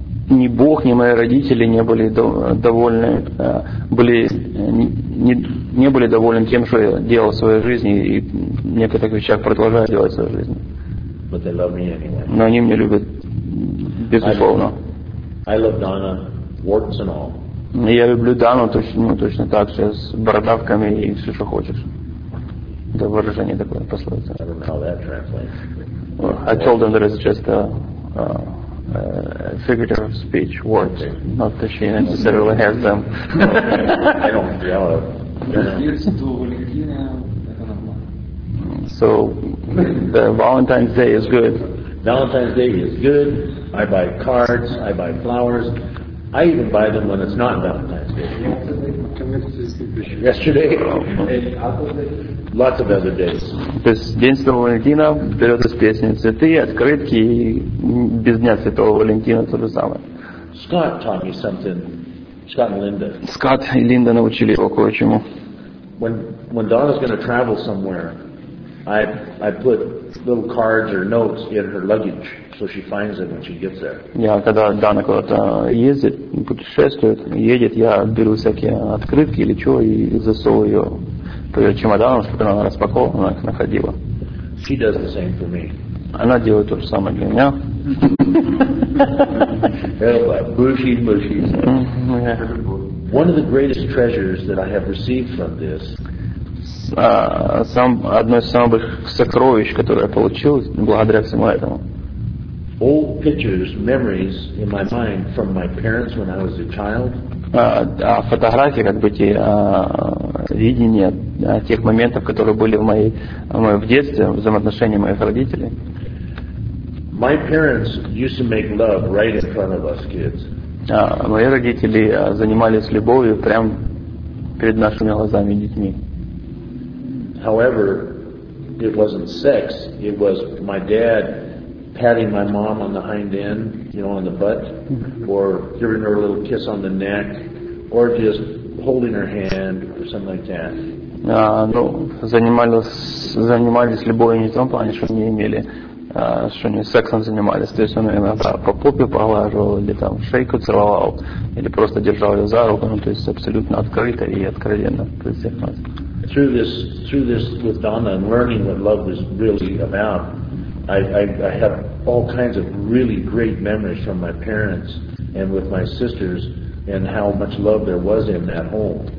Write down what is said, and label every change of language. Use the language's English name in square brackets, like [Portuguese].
[Russian] Ни Бог, ни мои родители не были довольны, были не были довольны тем, что я делал в своей жизни и в некоторых вещах продолжаю делать в своей жизни. [English] But they love me anyway. [Russian] Но они меня любят безусловно. [English] I love Donna, warts and all. [Russian] Я люблю Дану точно, точно так же, с бородавками и все, что хочешь. Это выражение такое, пословица. [English] I don't know how that translates. I told them that it's just a figurative of speech, warts. Okay. Not that she necessarily has them. I don't yell at them. So the Valentine's Day is good. Valentine's Day is good. I buy cards, I buy flowers. I even buy them when it's not Valentine's Day. Yesterday, lots of other days. [Russian] То есть День Святого Валентина берет из песни цветы, открытки, и без Дня Святого Валентина то же самое. [English] Scott taught me something. Scott and Linda. [Russian] Scott и Линда научили его кое-чему. [English] When Donna's going to travel somewhere, I put little cards or notes in her luggage so she finds them when she gets there. [Russian] Я когда Дана куда-то ездит, путешествует, едет, я беру всякие открытки или что и засовываю ее перед чемоданом, чтобы она распаковывала, она их находила. [English] She does the same for me. [Russian] Она делает то же самое для меня. [English] Bushy, bushy. One of the greatest treasures that I have received from this. [Russian] Одно из самых сокровищ, которое я получил благодаря всему этому. [English] Old pictures, memories in my mind from my parents when I was a child. [Russian] Фотографии, как бы те видения тех моментов, которые были в моей в детстве, взаимоотношения моих родителей. [English] My parents used to make love right in front of us kids. [Russian] Мои родители занимались любовью прямо перед нашими глазами детьми. [English] However, it wasn't sex. It was my dad patting my mom on the hind end, you know, on the butt, or giving her a little kiss on the neck, or just holding her hand, or something like that. [Russian] Ну, занимались любовью не в том плане, что они имели, что они сексом занимались. То есть он иногда по попе поглаживал, или там шейку целовал, или просто держал ее за руку. Ну, то есть абсолютно открыто и откровенно. [English] Through this with Donna and learning what love is really about, I have all kinds of really great memories from my parents and with my sisters and how much love there was in that home.